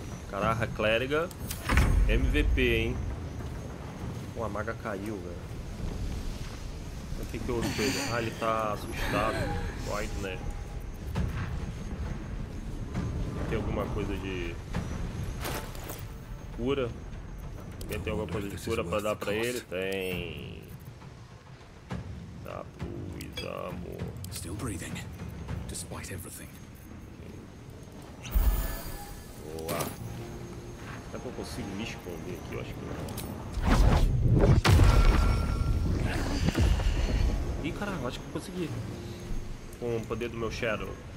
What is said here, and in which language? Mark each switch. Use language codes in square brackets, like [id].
[pt] Caraca, clériga MVP, hein? Pô, a maga caiu, velho. O que que eu fiz? Ah, ele tá assustado. White, né? Tem alguma coisa de cura? Quer ter alguma coisa de cura pra dar pra ele? Tem. Dá pro Isamu. [en] Still breathing, despite everything. [pt] Boa. Será que eu consigo me esconder aqui? Eu acho que não. Ih, caralho, acho que eu consegui. Com o poder do meu Shadow.